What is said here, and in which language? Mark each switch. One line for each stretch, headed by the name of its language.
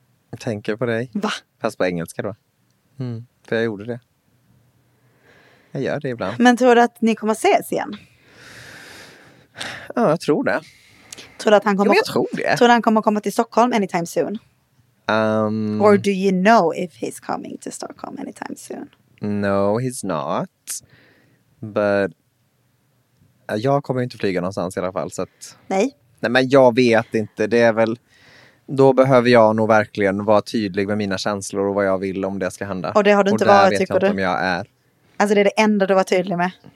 Swedish: Jag tänker på dig. Va? Fast på engelska då. För jag gjorde det. Jag gör det ibland. Men tror du att ni kommer ses igen? Ja, jag tror det. Tror du att han kommer komma till Stockholm
English: anytime soon? Or do you know if he's coming to Stockholm anytime soon? No, he's not.
Swedish: But jag kommer inte flyga någonstans i alla fall. Så att, nej, men jag vet inte. Det är väl, då behöver jag nog verkligen vara tydlig med mina känslor och vad jag vill om det ska hända. Och det har du inte varit, tycker du? Om jag är. Alltså det är det enda du var tydlig med.